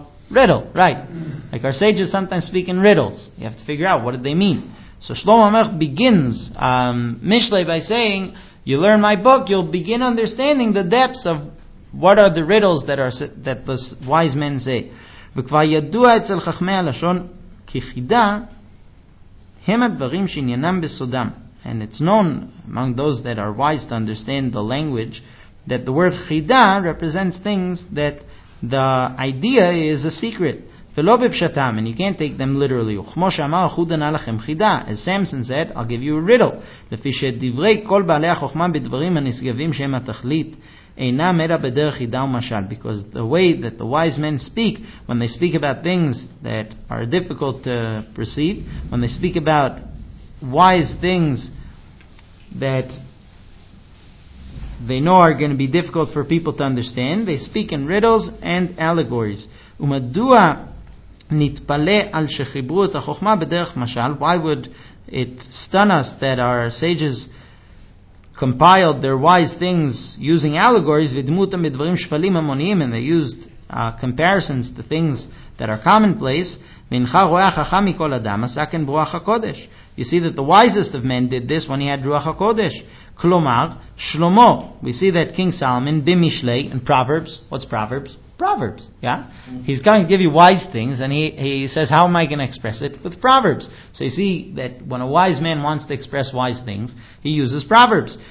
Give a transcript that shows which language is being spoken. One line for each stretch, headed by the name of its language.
English: Riddle, right. Like our sages sometimes speak in riddles. You have to figure out what did they mean. So Shlomo HaMelech begins Mishlei by saying, You learn my book, you'll begin understanding the depths of what are the riddles that are that the wise men say.
Hebrew: וכבר ידוע אצל חכמי הלשון כחידה הם הדברים שעניינם בסודם.
English: And it's known among those that are wise to understand the language that the word chida represents things that the idea is a secret.
Hebrew: ולא בפשטם,
English: and you can't take them literally.
Hebrew: וכמו שאמר, חוד ענה לכם חידה.
English: As Samson said, I'll give you a riddle.
Hebrew: לפי שדברי כל בעלי החוכמה בדברים הנשגבים שהם התכלית, אינם אלא בדרך חידה ומשל.
English: Because the way that the wise men speak, when they speak about things that are difficult to perceive, when they speak about wise things that they know are going to be difficult for people to understand, they speak in riddles and allegories.
Hebrew: ומדוע נתפלא על שחיברו את החוכמה בדרך משל?
English: Why would it stun us that our sages compiled their wise things using allegories,
Hebrew: ודמותם בדברים שפלים המוניים,
English: and they used comparisons to things that are commonplace?
Hebrew: ואינך רואה חכם מכל אדם, עשה כן ברוח הקודש.
English: You see that the wisest of men did this when he had Ruach HaKodesh. Klomar, Shlomo. We see that King Solomon, Bimishlei, and Proverbs. What's Proverbs? Proverbs, yeah? He's going to give you wise things, and he says, how am I going to express it? With Proverbs. So you see that when a wise man wants to express wise things, he uses Proverbs.